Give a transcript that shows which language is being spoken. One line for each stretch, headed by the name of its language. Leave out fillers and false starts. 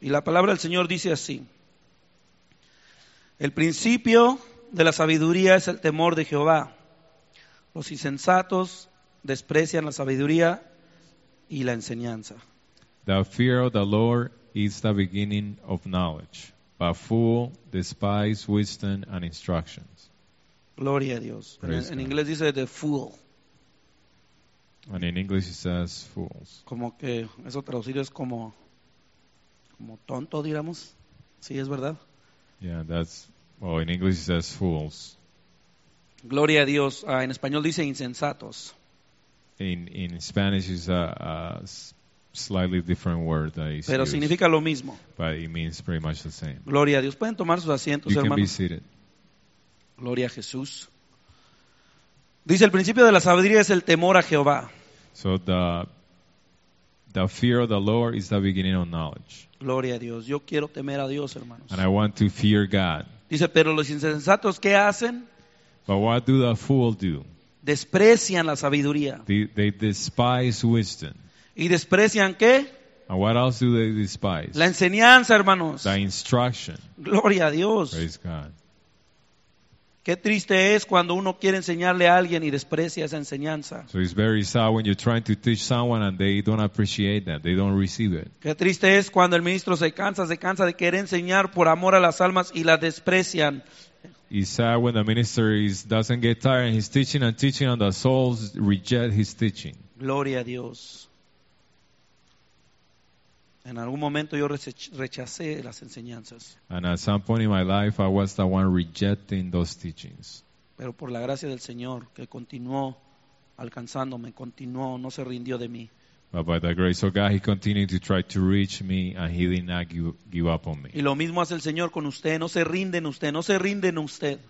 Spanish: Y la palabra del Señor dice así: el principio de la sabiduría es el temor de Jehová. Los insensatos desprecian la sabiduría y la enseñanza.
English: The fear of the Lord is the beginning of knowledge. But fool despise wisdom and instructions.
Spanish: Gloria a Dios. En inglés dice
English: the fool. And in English it says fools.
Spanish: Como que eso traducido es como tonto, diríamos. Sí, es verdad.
English: Yeah, in English it says fools.
Spanish: Gloria a Dios. En español dice insensatos.
English: In Spanish it's a slightly different word that is
Spanish: pero
English: used,
Spanish: significa lo mismo.
English: But it means pretty much the same.
Spanish: Gloria a Dios. Pueden tomar sus asientos,
English: you
Spanish: hermanos.
English: Can be seated.
Spanish: Gloria a Jesús. Dice el principio de la sabiduría es el temor a Jehová.
English: So the fear of the Lord is the beginning of knowledge.
Spanish: Gloria a Dios. Yo quiero temer a Dios, hermanos.
English: And I want to fear God.
Spanish: Dice, pero los insensatos ¿qué hacen?
English: But what do the fool do?
Spanish: Desprecian la sabiduría.
English: They despise wisdom.
Spanish: ¿Y desprecian qué?
English: And what else do they despise?
Spanish: La enseñanza, hermanos.
English: The instruction.
Spanish: Gloria a Dios.
English: Praise God.
Spanish: Qué triste es cuando uno quiere enseñarle a alguien y desprecia esa enseñanza.
English: So it's very sad when you're trying to teach someone and they don't appreciate that. They don't receive it.
Spanish: Qué triste es cuando el ministro se cansa de querer enseñar por amor a las almas y la desprecian.
English: It's sad when the minister doesn't get tired and he's teaching and teaching and the souls reject his teaching. Gloria a Dios.
Spanish: En algún momento yo rechacé las enseñanzas.
English: And at some point in my life, I was the one rejecting those teachings.
Spanish: Pero por la gracia del Señor, que continuó alcanzándome, continuó, no se rindió de mí.
English: But by the grace of God, He continued to try to reach me, and He did not give up on me.
Spanish: Y lo mismo hace el Señor con usted, no se rinden usted, no se rinden usted.